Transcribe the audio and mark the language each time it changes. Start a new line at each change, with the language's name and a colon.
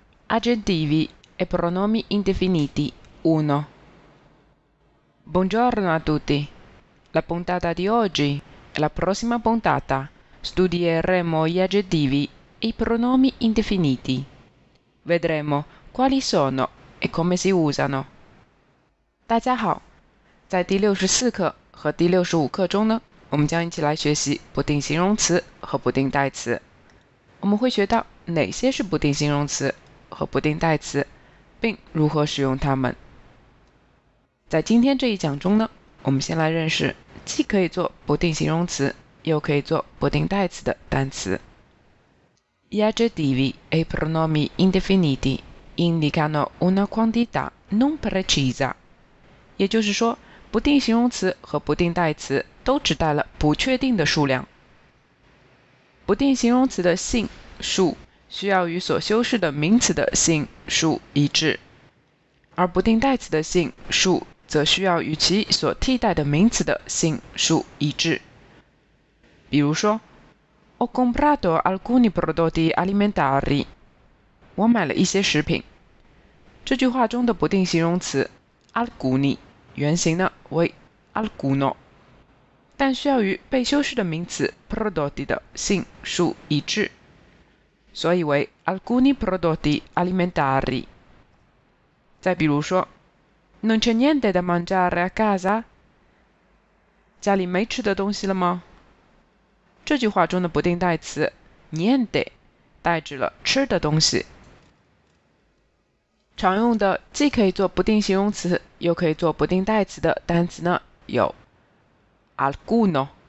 Italian: Aggettivi e pronomi indefiniti 1. Buongiorno a tutti. La puntata di oggi e la prossima puntata studieremo gli aggettivi e i pronomi indefiniti. Vedremo quali sono e come si usano.
Chinese: 大家好，在第64课和第65课中呢，我们将一起来学习不定形容词和不定代词。我们会学到哪些是不定形容词和不定代词，并如何使用它们。在今天这一讲中呢，我们先来认识既可以做不定形容词又可以做不定代词的单词。
Italian: Gli aggettivi e i pronomi indefiniti indicano una quantità non precisa.
Chinese: 也就是说，不定形容词和不定代词都指代了不确定的数量。不定形容词的性、数需要与所修饰的名词的性、数一致，而不定代词的性、数则需要与其所替代的名词的性、数一致。比如说
Italian: ，Ho comprato alcuni prodotti alimentari，
Chinese: 我买了一些食品。这句话中的不定形容词 alcuni。原型呢为 alcuno， 但需要与被修饰的名词 prodotti 的性数一致，所以为
Italian: alcuni prodotti alimentari。
Chinese: 再比如说
Italian: ，Non c'è niente da mangiare a casa？
Chinese: 家里没吃的东西了吗？这句话中的不定代词 niente 代指了吃的东西。常用的既可以做不定形容词又可以做不定代词的单词呢，有 alcuno、